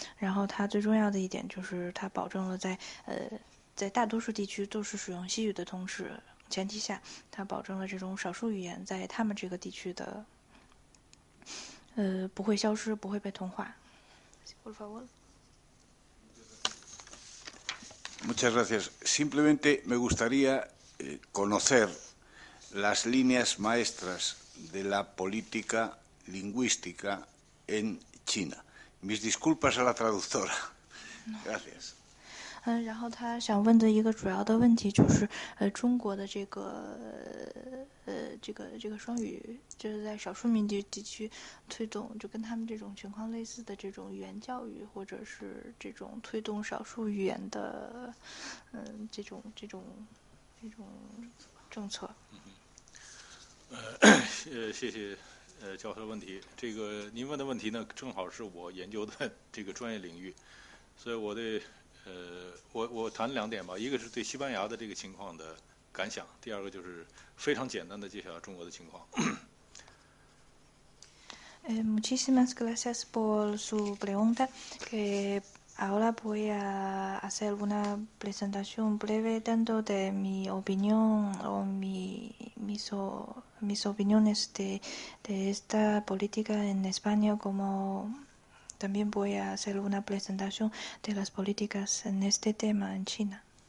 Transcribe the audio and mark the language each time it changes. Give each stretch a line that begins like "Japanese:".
Chinese: 然后它最重要的一点就是它保证了在大多数地区都是使用西语的同时。前提下，它保证了这种少数语言在他们这个地区的，不会消失，不会被同化。
Spanish: Por favor. Muchas gracias. Simplemente me gustaría conocer las líneas maestras de la política lingüística en China. Mis disculpas a la traductora. Gracias.
Chinese: 然后他想问的一个主要的问题就是中国的这个双语就是在少数民族地区推动就跟他们这种情况类似的这种语言教育或者是这种推动少数语言的这种那种政策。谢谢教授的问题。这个您问的问题呢，正好是我研究的这个专业领域，所以我对我谈两点吧，一个是对西班牙的这个情况的感想，第二个就是非常简单的介绍中国的情况。
Spanish: Muchísimas gracias por su pregunta. Que ahora voy a hacer una presentación breve tanto de mi opinión o mis opiniones de esta política en España, como también voy a hacer una presentación de las políticas en este tema en China.